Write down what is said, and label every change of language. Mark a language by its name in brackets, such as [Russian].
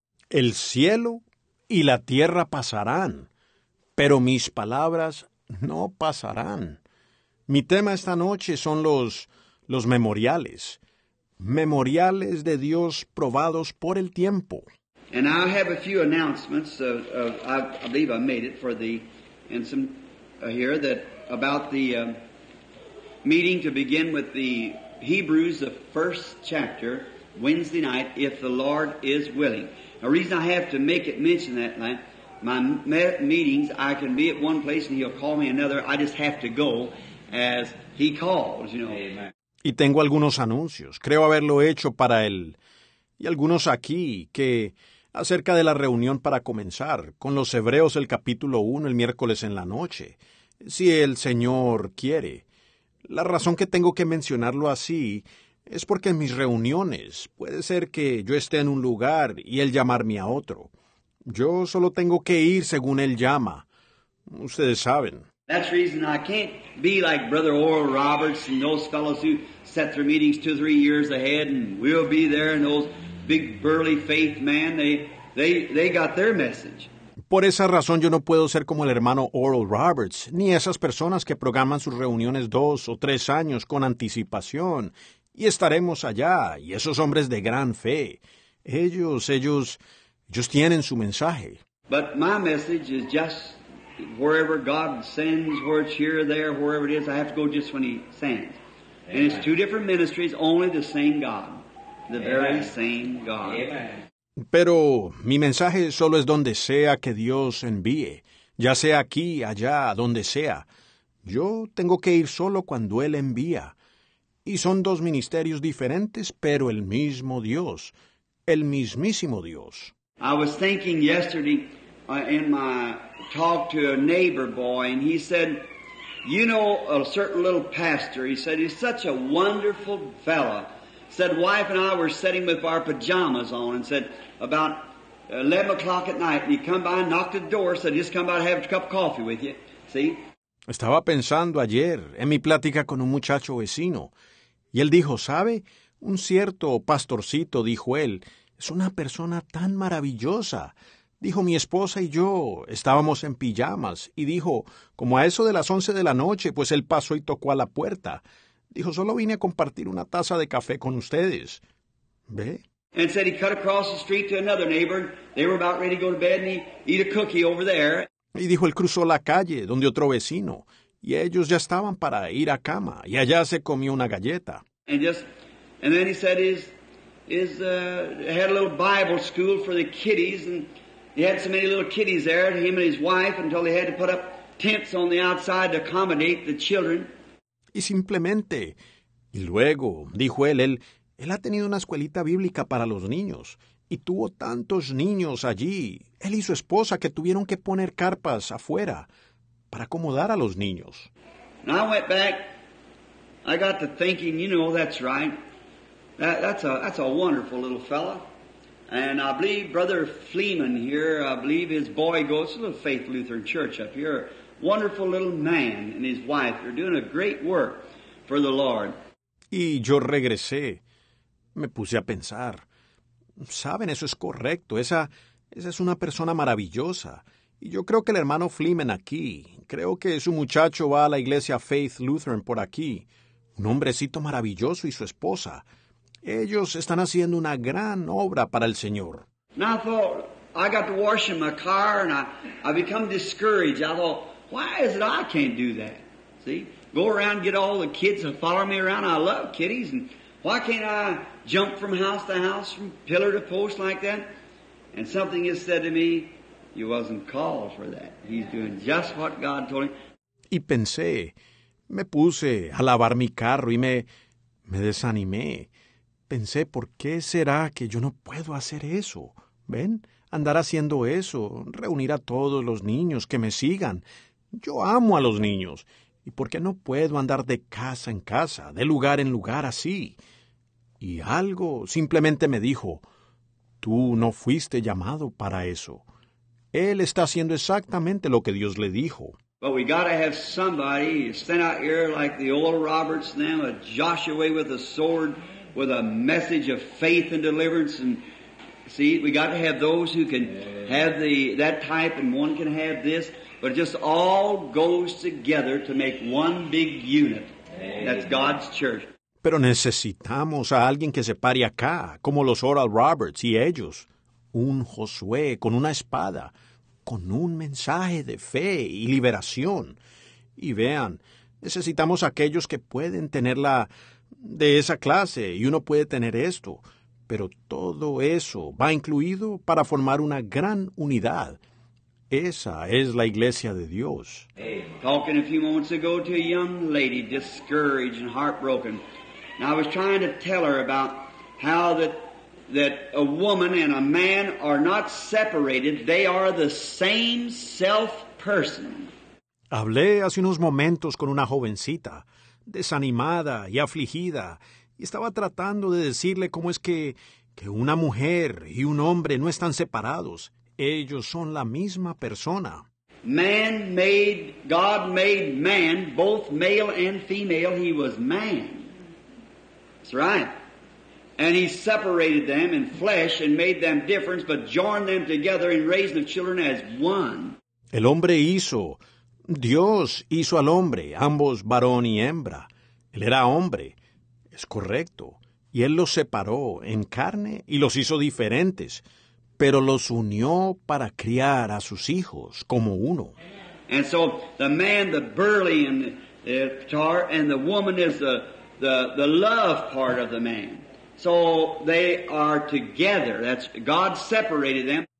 [Spanish] El cielo y la tierra pasarán, pero mis palabras no pasarán. Mi tema esta noche son los memoriales. Memoriales de Dios probados por el tiempo. [English] And I have a few announcements. I believe I made it for the, and some here that about the meeting to begin with the Hebrews, the first chapter, Wednesday night, if the Lord is willing. The reason I have to make it mention that, man, my meetings, I can be at one place and he'll call me another. I just have to go as he calls, you know. Amen. [Spanish] Y tengo algunos anuncios. Creo haberlo hecho para él. Y algunos aquí que acerca de la reunión para comenzar con los Hebreos el capítulo 1 el miércoles en la noche, si el Señor quiere. La razón que tengo que mencionarlo así es porque en mis reuniones puede ser que yo esté en un lugar y él llamarme a otro. Yo solo tengo que ir según él llama. Ustedes saben. [English] That's the reason I can't be like Brother Oral Roberts and those fellows who set their meetings 2 or 3 years ahead and we'll be there and those big burly faith man, they got their message. [Spanish] Por esa razón yo no puedo ser como el hermano Oral Roberts, ni esas personas que programan sus reuniones 2 o 3 años con anticipación. Y estaremos allá, y esos hombres de gran fe, ellos tienen su mensaje. [English] But my message is just wherever God sends, where it's here, there, wherever it is, I have to go just when he sends. Amen. And it's 2 different ministries, only the same God. The very same God. Amen. [Spanish] Pero mi mensaje solo es donde sea que Dios envíe, ya sea aquí, allá, donde sea. Yo tengo que ir solo cuando Él envía. Y son 2 ministerios diferentes, pero el mismo Dios, el mismísimo Dios. [English] I was thinking yesterday in my talk to a neighbor boy, and he said, you know, a certain little pastor, he said, he's such a wonderful fella. Said, wife and I were sitting with our pajamas on, and said, about 11 o'clock at night, and he come by and knocked at the door, said, just come by and have a cup of coffee with you. See? [Spanish] Estaba pensando ayer en mi plática con un muchacho vecino, y él dijo, ¿sabe? Un cierto pastorcito, dijo él, es una persona tan maravillosa. Dijo, mi esposa y yo estábamos en pijamas, y dijo, como a eso de las 11 de la noche, pues él pasó y tocó a la puerta. Dijo, solo vine a compartir una taza de café con ustedes. ¿Ve? [English] And said he cut across the street to another neighbor, they were about ready to go to bed, and he eat a cookie over there. [Spanish] Y dijo, él cruzó la calle donde otro vecino, y ellos ya estaban para ir a cama, y allá se comió una galleta. [English] And then he said he had a little Bible school for the kiddies, and he had so many little kiddies there, him and his wife, until they had to put up tents on the outside to accommodate the children. [Spanish] Y simplemente, y luego, dijo él ha tenido una escuelita bíblica para los niños, y tuvo tantos niños allí, él y su esposa, que tuvieron que poner carpas afuera para acomodar a los niños. [English] And I went back, I got to thinking, you know, that's right. That's a wonderful little fella. And I believe Brother Fleeman here, I believe his boy goes to the Faith Lutheran Church up here. Wonderful little man and his wife are doing a great work for the Lord. [Spanish] Y yo regresé, me puse a pensar. Saben, eso es correcto. Esa es una persona maravillosa. Y yo creo que el hermano Fleeman aquí, creo que su muchacho va a la iglesia Faith Lutheran por aquí. Un hombrecito maravilloso y su esposa. Ellos están haciendo una gran obra para el Señor. [English] And I thought, I got to wash in my car and I become discouraged. I thought, why is it I can't do that? See, go around, get all the kids and follow me around. I love kiddies and why can't I jump from house to house, from pillar to post like that? And something is said to me, he wasn't called for that. He's doing just what God told him. [Spanish] Y pensé, me puse a lavar mi carro y me desanimé. Pensé, ¿por qué será que yo no puedo hacer eso? ¿Ven? Andar haciendo eso, reunir a todos los niños que me sigan. Yo amo a los niños. ¿Y por qué no puedo andar de casa en casa, de lugar en lugar así? Y algo simplemente me dijo, tú no fuiste llamado para eso. Él está haciendo exactamente lo que Dios le dijo. [English] But we gotta have somebody stand out here like the old Roberts now, a Joshua with a sword, with a message of faith and deliverance. And see, we gotta have those who can have that type, and one can have this. But it just all goes together to make one big unit. That's God's church. [Spanish] Pero necesitamos a alguien que se pare acá, como los Oral Roberts y ellos. Un Josué con una espada, con un mensaje de fe y liberación. Y vean, necesitamos aquellos que pueden tenerla de esa clase, y uno puede tener esto. Pero todo eso va incluido para formar una gran unidad. Esa es la iglesia de Dios. [English] Talking a few moments ago to a young lady, discouraged and heartbroken. And I was trying to tell her about how that a woman and a man are not separated. They are the same self person. [Spanish] Hablé hace unos momentos con una jovencita, desanimada y afligida, y estaba tratando de decirle cómo es que una mujer y un hombre no están separados. Ellos son la misma persona. [English] Man made, God made man, both male and female, he was man. That's right. And he separated them in flesh and made them different, but joined them together and raised the children as one. [Spanish] El hombre hizo... Dios hizo al hombre, ambos varón y hembra. Él era hombre, es correcto, y Él los separó en carne y los hizo diferentes, pero los unió para criar a sus hijos como uno. [English] And so the man, the burly and the tar, and the woman is the love part of the man. So they are together. That's God separated them.